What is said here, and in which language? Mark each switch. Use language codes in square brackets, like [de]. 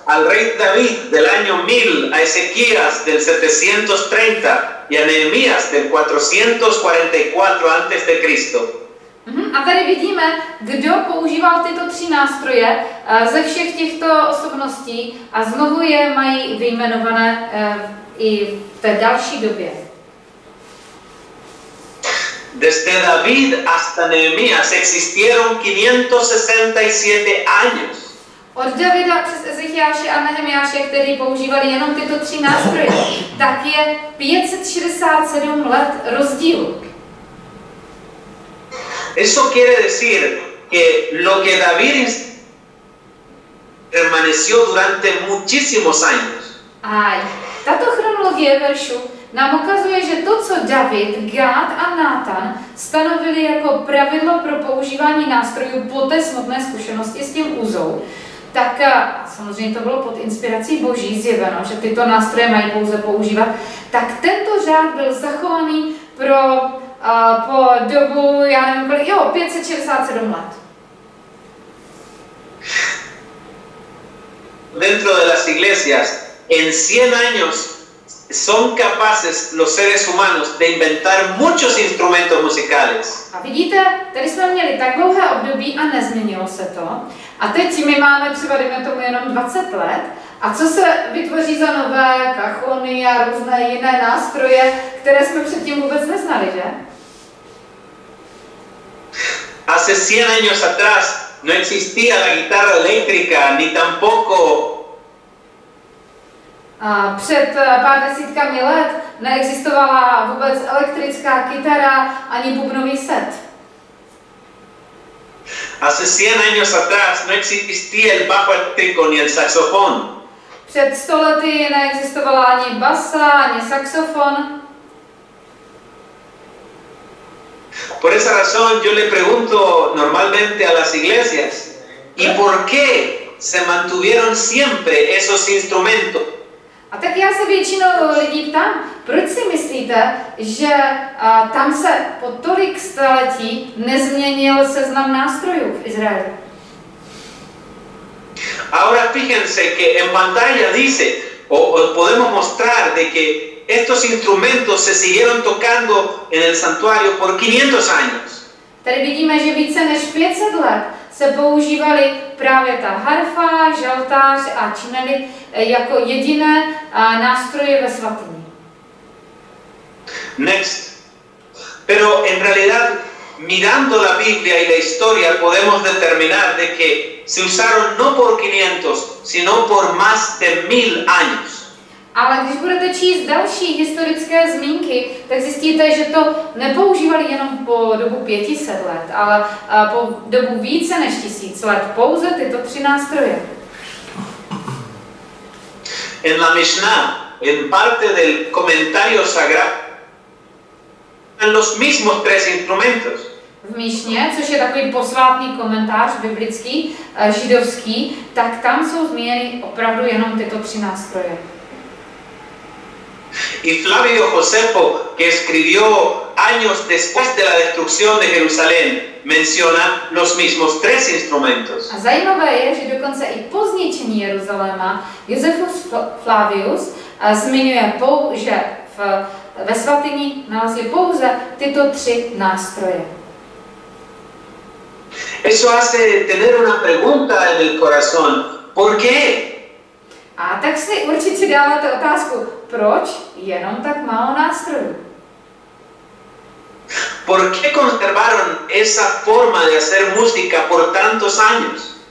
[es] al rey David del año 1000, a Ezequías del 730 y a Nehemías del 444 antes de Cristo. [cs] A tady vidíme, kdo používal tyto tři nástroje ze všech těchto osobností a znovu je mají vyjmenované i v té další době. [es] Desde David hasta Nehemías existieron 567 años. [cs] Od Davida přes Ezechiáše a Nehemiáše, kteří používali jenom tyto tři nástroje, tak je 567 let rozdílu. [es] Eso quiere decir que lo que David permaneció durante muchísimos años. [cs] Ay, tato chronologie veršu nám ukazuje, že to, co David, Gád a Nátan stanovili jako pravidlo pro používání nástrojů po té smutné zkušenosti s tím Uzou, tak samozřejmě to bylo pod inspirací Boží zjeveno, že tyto nástroje mají pouze používat, tak tento řád byl zachovaný pro po dobu, já nevím kolik, jo, 567 let. [es] Dentro de las iglesias, en 100 años, son capaces los seres humanos de inventar muchos instrumentos musicales. [cs] A vidíte, tady jsme měli tak dlouhé období a nezměnilo se to. A teď my máme třeba, dejme tomu, jenom 20 let. A co se vytvoří za nové kachony a různé jiné nástroje, které jsme předtím vůbec neznali, že? [es] Hace 100 años atrás no existía la guitarra eléctrica ni tampoco. [cs] A před pár desítkami let neexistovala vůbec elektrická kytara ani bubnový set. [es] Hace 100 años atrás no existía el bajo eléctrico ni el saxofón. [cs] Před 100 lety neexistovala ani basa, ani saxofon. [es] Por esa razón yo le pregunto normalmente a las iglesias, ¿y por qué se mantuvieron siempre esos instrumentos? [cs] A tak já se většinou lidí ptám, proč si myslíte, že tam se po tolik staletí nezměnil seznam nástrojů v Izraeli? [es] Ahora fíjense que en pantalla dice, o podemos mostrar de que estos instrumentos se siguieron tocando en el santuario por 500 años. [cs] Tady vidíme, že více než 500 let se používaly právě ta harfa, žaltář a činely jako jediné nástroje ve svatyni. [en] Next. [es] Pero en realidad, mirando la Biblia y la historia, podemos determinar de que se usaron no por 500, sino por más de 1000 años. [cs] Ale když budete číst další historické zmínky, tak zjistíte, že to nepoužívali jenom po dobu 500 let, ale po dobu více než 1000 let, pouze tyto tři nástroje. [es] En la Mishnah, en parte del comentario sagrado, en los mismos tres instrumentos. [cs] V Míšně, což je takový posvátný komentář biblický, židovský, tak tam jsou zmíněny opravdu jenom tyto tři nástroje. [es] Y Flavio Josefo, que escribió años después de la destrucción de Jerusalén, menciona los mismos tres instrumentos. [cs] A zajímavé je, že dokonce i po zničení Jeruzaléma Josefus Flavius zmiňuje, že ve svatyni nalezli pouze tyto tři nástroje. [es] Eso hace tener una pregunta en el corazón. ¿Por qué? [cs] A tak si určitě dáváte otázku, proč jenom tak málo nástrojů? [es] ¿Por qué conservaron esa forma de hacer música por tantos años?